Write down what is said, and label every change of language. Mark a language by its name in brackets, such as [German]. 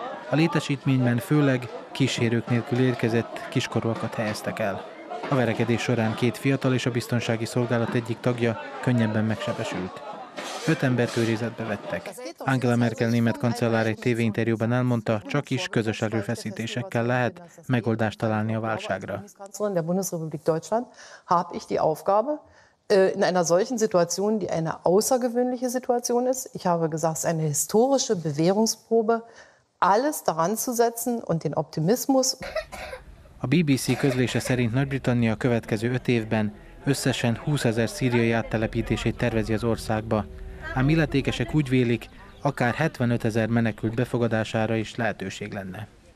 [Hungarian] A létesítményben főleg kísérők nélkül érkezett kiskorúakat helyeztek el. A verekedés során két fiatal és a biztonsági szolgálat egyik tagja könnyebben megsebesült. 5 embert őrizetbe vettek. Angela Merkel német kancellár egy tévéinterjúban elmondta, csak is közös erőfeszítésekkel lehet megoldást találni a válságra. [German] Der Bundesrepublik Deutschland habe ich die Aufgabe in einer solchen Situation, die eine außergewöhnliche Situation ist, ich habe gesagt, eine historische Bewährungsprobe, alles daran zu setzen und den Optimismus. [Hungarian] A BBC közlése szerint Nagy-Britannia következő 5 évben összesen 20 ezer szíriai áttelepítését tervezi az országba, ám illetékesek úgy vélik, akár 75 ezer menekült befogadására is lehetőség lenne.